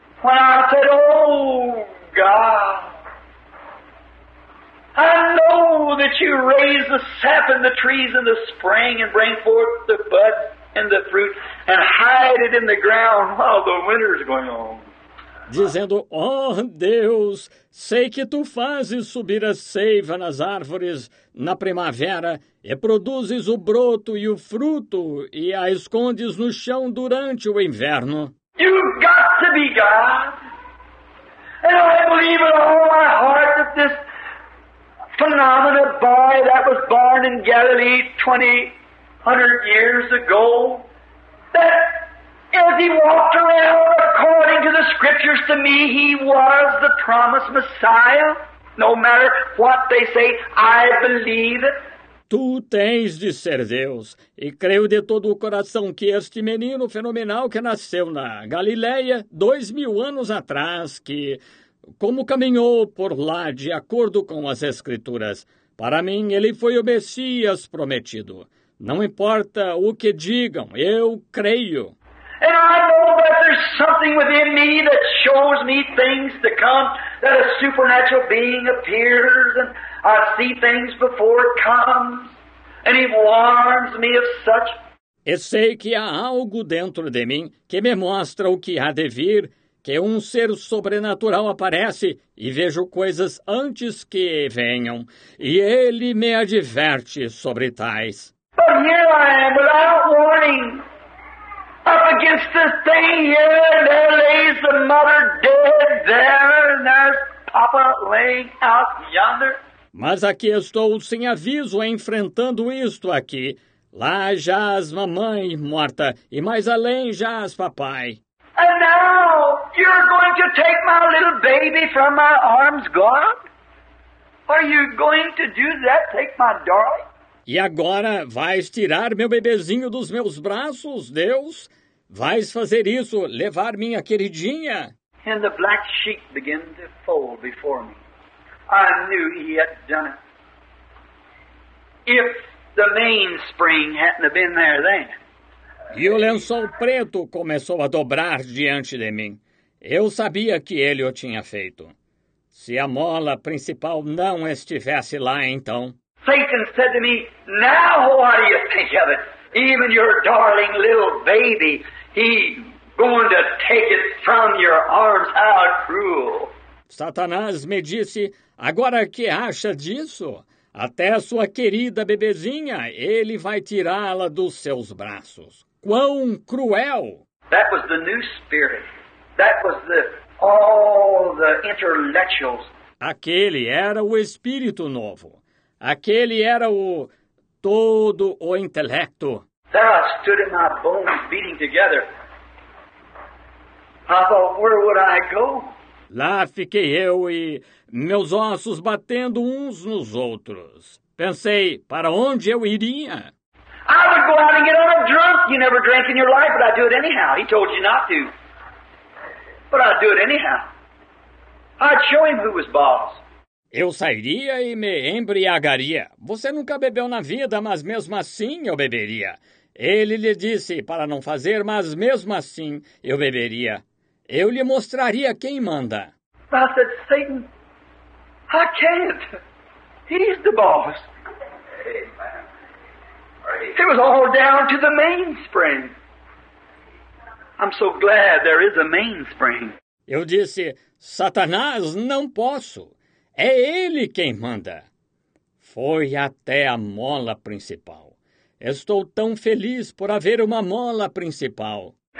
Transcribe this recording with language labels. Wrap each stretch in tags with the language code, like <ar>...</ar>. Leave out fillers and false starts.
<en>When I said, oh, God. I know that you raise the sap and the trees in the spring and bring forth the bud and the fruit and hide it in the ground while the winter is going on.</en> <pt>Dizendo, oh Deus, sei que tu fazes subir a seiva nas árvores na primavera e produzes o broto e o fruto e a escondes no chão durante o inverno.</pt> <en>You've got to be God. And I believe with all my heart that this phenomenal boy that was born in Galilee 20 100 years ago, that as he walked around according to the scriptures, to me he was the promised Messiah. No matter what they say, I believe it.</en> <pt>Tu tens de ser Deus, e creio de todo o coração que este menino fenomenal que nasceu na Galileia 2000 anos atrás, que, como caminhou por lá de acordo com as Escrituras, para mim ele foi o Messias prometido. Não importa o que digam, eu creio.</pt> <en>And I know that there's something within me that shows me things to come, that a supernatural being appears, and I see things before it comes, and he warns me of such.</en> <pt>E sei que há algo dentro de mim que me mostra o que há de vir, que um ser sobrenatural aparece e vejo coisas antes que venham, e ele me adverte sobre tais.</pt> <en>But here I am without warning. Up against this thing here, and there lays the mother dead there, and there's Papa laying out yonder.</en> <pt>Mas aqui estou sem aviso enfrentando isto aqui. Lá jaz mamãe morta, e mais além jaz papai.</pt> <en>And now you're going to take my little baby from my arms, God? Are you going to do that, take my darling?</en> <pt>E agora vais tirar meu bebezinho dos meus braços, Deus? Vais fazer isso, levar minha queridinha?</pt> <en>And the black sheep began to fold before me. I knew he had done it. If the mainspring hadn't have been there then.</en> <pt>E o lençol preto começou a dobrar diante de mim. Eu sabia que ele o tinha feito. Se a mola principal não estivesse lá, então...</pt> <en>Satan said to me, now what do you think of it? Even your darling little baby, he going to take it from your arms. How cruel.</en> <pt>Satanás me disse, agora que acha disso? Até sua querida bebezinha, ele vai tirá-la dos seus braços. Quão cruel!</pt> <en>That was the new spirit. That was the all the intellectuals.</en> <pt>Aquele era o espírito novo. Aquele era o todo o intelecto.</pt> <en>There I stood in my bones beating together. I thought, where would I go?</en> <pt>Lá fiquei eu e meus ossos batendo uns nos outros. Pensei, para onde eu iria?</pt> <en>I would go out and get all drunk. You never drank in your life, but I'd do it anyhow. He told you not to. But I'd do it anyhow. I'd show him who was boss.</en> <pt>Eu sairia e me embriagaria. Você nunca bebeu na vida, mas mesmo assim eu beberia. Ele lhe disse para não fazer, mas mesmo assim eu beberia. Eu lhe mostraria quem manda.</pt> <en>I said, Satan, I can't. He's the boss. It was all down to the mainspring. I'm so glad there is a mainspring.</en> <pt>Eu disse, Satanás, não posso. É ele quem manda. Foi até a mola principal. Estou tão feliz por haver uma mola principal.</pt>